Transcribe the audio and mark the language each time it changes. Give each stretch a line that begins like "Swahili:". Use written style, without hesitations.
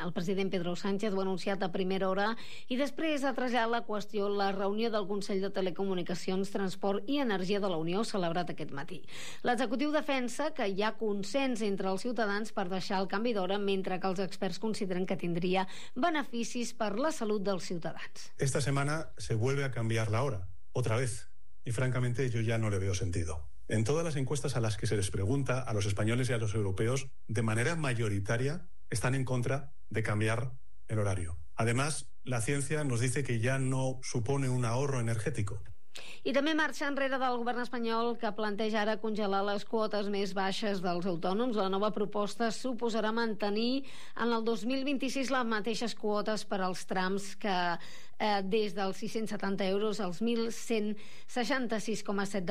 Catalan: El president Pedro Sánchez ho ha anunciat a primera hora i després ha trasllat la qüestió a la reunió del Consell de Telecomunicacions, Transport i Energia de la Unió celebrat aquest matí. L'executiu defensa que hi ha consens entre els ciutadans per deixar el canvi d'hora, mentre que els experts consideren que tindria beneficis per la salut dels ciutadans.
Spanish: Esta semana se vuelve a cambiar la hora, otra vez. Y francamente yo ya no le veo sentido. En todas las encuestas a las que se les pregunta a los españoles y a los europeos, de manera mayoritaria están en contra de cambiar el horario. Además, la ciencia nos dice que ya no supone un ahorro energético.
Catalan: I també marxa enrere del govern espanyol, que planteja ara congelar les quotes més baixes dels autònoms. La nova proposta suposarà mantenir en el 2026 les mateixes quotes per als trams que des dels 670 euros als 1.166,7 de